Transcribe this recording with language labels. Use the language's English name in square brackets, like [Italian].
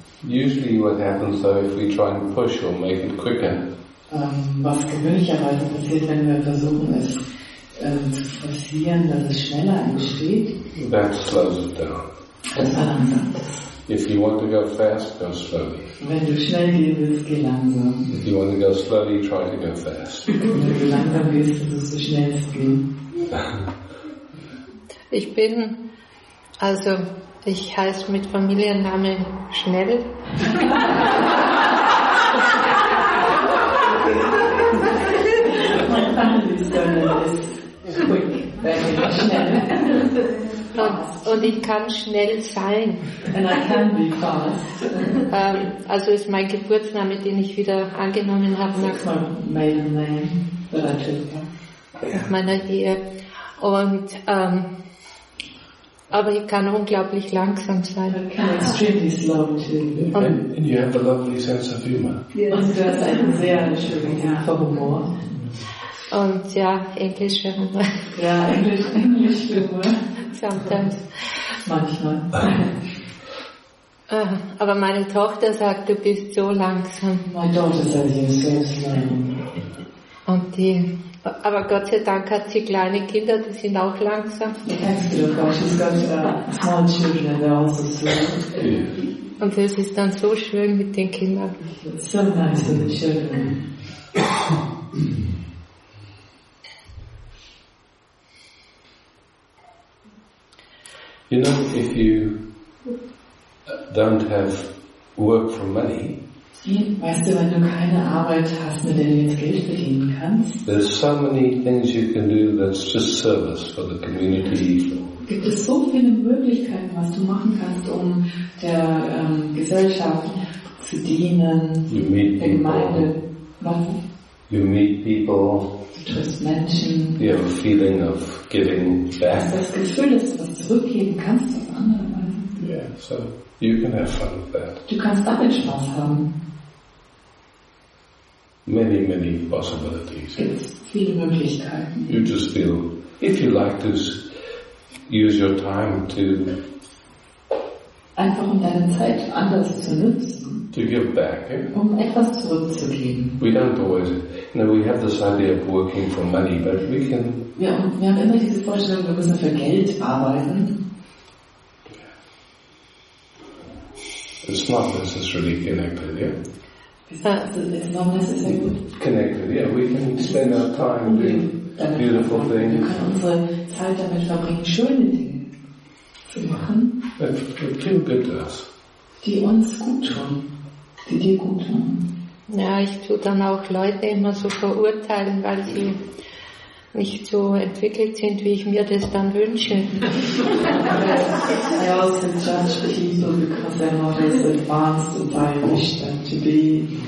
[English] Usually what happens though if we try and push or make it quicker. [German] Was gewöhnlicherweise passiert, wenn wir versuchen es zu forcieren, dass es schneller entsteht. [English] That slows it down. [German] Das verlangsamt es. [English] If you want to go fast, go slowly. [German] Wenn du schnell gehen willst, geh langsam. [English] If you want to go slowly, try to go fast. [German] Wenn du langsam gehst, musst du schnell gehen. Ich bin, also, ich heiße mit Familienname Schnell. Mein Name ist Quick, und ich kann schnell sein. [English] And I can be fast. [German] Also ist mein Geburtsname, den ich wieder angenommen habe. [English] So it's my maiden name, but I took that. Yeah. [German] Meiner Ehe. Und aber ich kann unglaublich langsam sein. [English] Extremely slow too. And you have a lovely sense of humor. Yes. [German] Und du hast einen sehr schönen Herz für Humor. Und ja, Englisch Humor. Ja, Englisch Humor. [English] Sometimes. [German] Manchmal. Aber meine Tochter sagt, du bist so langsam. [English] My daughter says you're so slow. [German] Und die, aber Gott sei Dank hat sie kleine Kinder, die sind auch langsam. [English] Thanks to God, she's got small children and they're also slow. Yeah. [German] Und es ist dann so schön mit den Kindern. [English] It's so nice with the children. You know, if you don't have work for money, [German] weißt du, wenn du keine Arbeit hast, mit der du jetzt Geld verdienen kannst, [English] there's so many things you can do that's just service for the community. [German] Gibt es so viele Möglichkeiten, was du machen kannst, um der Gesellschaft zu dienen, [English] you meet [German] der Gemeinde. [English] You meet people. [German] Du triffst Menschen. [English] You have a feeling of giving back. [German] Das Gefühl, dass du was zurückgeben kannst auf andere Weise. [English] Yeah. So you can have fun with that. [German] Du kannst damit Spaß haben. [English] Many, many possibilities. [German] Es gibt viele Möglichkeiten. [English] You just feel, if you like to use your time to [German] einfach um deine Zeit anders zu nutzen. [English] To give back, yeah? [German] Um etwas zurückzugeben. [English] We don't always. No, we have this idea of working for money, but we can. [German] Ja, und wir haben immer diese Vorstellung, wir müssen für Geld arbeiten. [English] It's not necessarily connected, yeah. It's not necessarily good. Connected, yeah. We can spend our time doing beautiful things. [German] Wir können unsere Zeit damit verbringen, schöne Dinge zu machen. [English] It feels good to us. [German] Die uns gut tun. Die dir gut tun. Ja, ich tue dann auch Leute immer so verurteilen, weil sie nicht so entwickelt sind, wie ich mir das dann wünsche. [English] I also judge people because they're not as advanced as I wish them to be.